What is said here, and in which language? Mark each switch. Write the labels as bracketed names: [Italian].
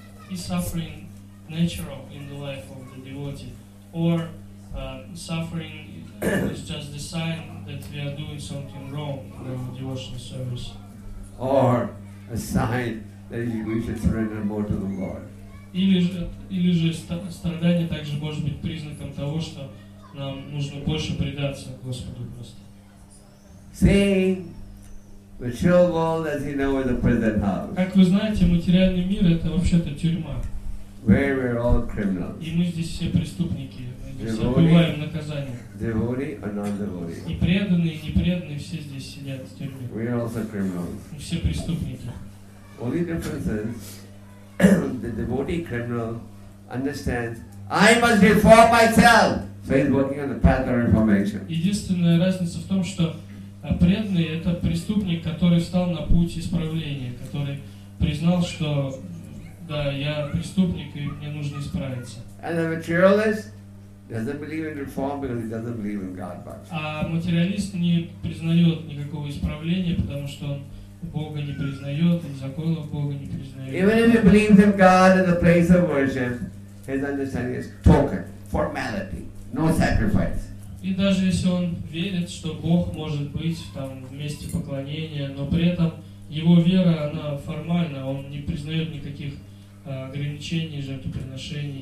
[English] Is suffering natural in the life of the devotee, or suffering is just the sign that we are doing something wrong in our devotional service, or a sign that we should surrender more to the Lord? [Russian] Или же страдание также может быть признаком того, что нам нужно больше предаться Господу просто. [English] See, material world, as you know, is a prison house. [Russian] Как вы знаете, материальный мир — это вообще-то тюрьма. [English] Where we're all criminals. [Russian] И мы здесь все преступники. Все отбываем наказание. [English] Devotee or non-devotee. [Russian] И преданные, и непреданные все здесь сидят в тюрьме. [English] We are also criminals. [Russian] Мы все преступники. [English] Only difference is the devotee criminal understands I must reform myself. So he's working on the path of reformation. [Russian] Единственная разница в том, что преданный — это преступник, который встал на путь исправления, который признал, что да, я преступник, и мне нужно исправиться. [English] And the materialist doesn't believe in reform because he doesn't believe in God much. [Russian] А материалист не признает никакого исправления, потому что он Бога не признает, и законов Бога не признает. [English] Even if he believes in God in the place of worship, his understanding is token, formality, no sacrifice. [Russian] И даже если он верит, что Бог может быть там в месте поклонения, но при этом его вера, она формальна, он не признает никаких ограничений жертвоприношений.